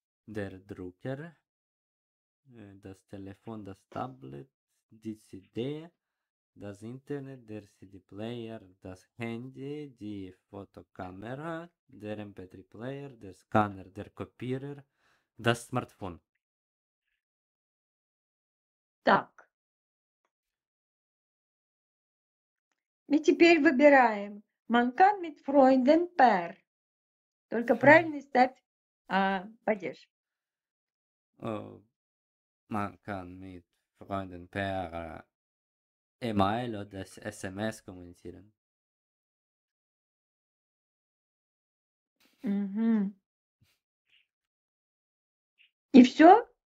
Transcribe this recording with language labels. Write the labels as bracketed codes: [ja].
[de] Der Drucker, das Telefon, das Tablet, die CD, das Internet, der CD-Player, das Handy, die Fotokamera, der MP3-Player, der Scanner, der Kopierer, das Smartphone. [ru] Так. Мы теперь выбираем. [de] Man kann mit Freunden per. [ru] Только правильный ставь падеж. [de] Man kann mit Freunden per E-Mail oder SMS kommunizieren. Mhm. [ru] И все?